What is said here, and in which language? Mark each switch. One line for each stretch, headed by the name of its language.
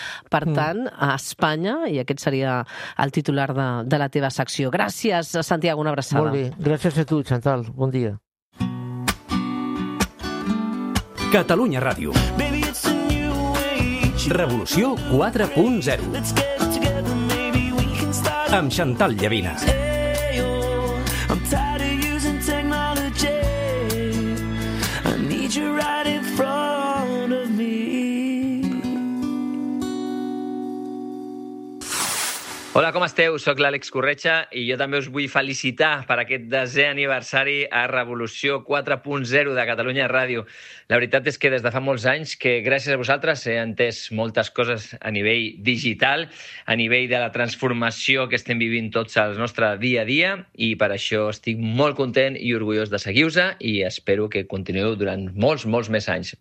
Catalan: Per tant, a Espanya, i aquest seria el titular de la teva secció. Gràcies, Santiago, una abraçada. Molt bé, gràcies a tu, Chantal. Bon dia. Catalunya Ràdio.
English: Baby, it's a new age.
Catalan: Revolució 4.0.
English: Let's get amb Chantal Llavina. Hey, oh, I'm tired of using technology. I need you right in front of me.
Catalan: Hola, com esteu? Soc l'Àlex Corretja i jo també us vull felicitar per aquest 10è aniversari a Revolució 4.0 de Catalunya Ràdio. La veritat és que des de fa molts anys que gràcies a vosaltres he entès moltes coses a nivell digital, a nivell de la transformació que estem vivint tots al nostre dia a dia, i per això estic molt content i orgullós de seguir-vos i espero que continueu durant molts, molts més anys.